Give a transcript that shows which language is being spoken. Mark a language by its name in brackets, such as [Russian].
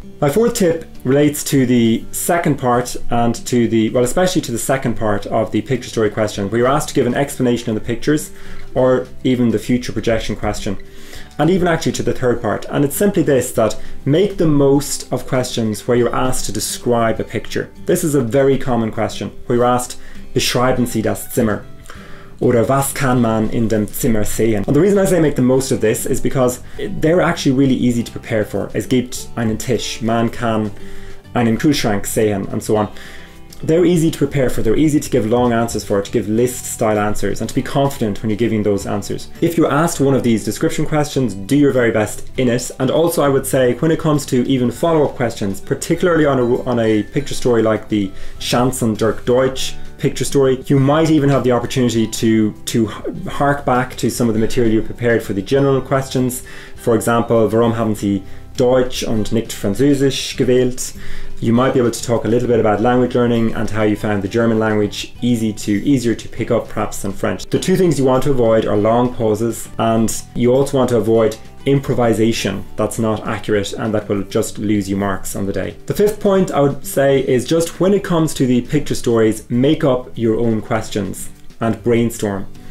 [English] My fourth tip relates to the second part and to the, well, especially to the second part of the picture story question, where you're asked to give an explanation of the pictures or even the future projection question, and even actually to the third part. And it's simply this, that make the most of questions where you're asked to describe a picture. This is a very common question, where you're asked, [German] beschreiben Sie das Zimmer? Oder was kann man in dem Zimmer sehen? [English] And the reason I say make the most of this is because they're actually really easy to prepare for. [German] Es gibt einen Tisch, man kann einen Kühlschrank sehen, [English] and so on. They're easy to prepare for, they're easy to give long answers for, to give list style answers, and to be confident when you're giving those answers. If you're asked one of these description questions, do your very best in it. And also I would say, when it comes to even follow-up questions, particularly on a picture story like the Chanson der Deutsch picture story, you might even have the opportunity to hark back to some of the material you prepared for the general questions. For example, [German] warum haben Sie Deutsch und nicht Französisch gewählt? [English] You might be able to talk a little bit about language learning and how you found the German language easier to pick up perhaps than French. The two things you want to avoid are long pauses, and you also want to avoid improvisation that's not accurate and that will just lose you marks on the day. The fifth point I would say is just when it comes to the picture stories, make up your own questions and brainstorm.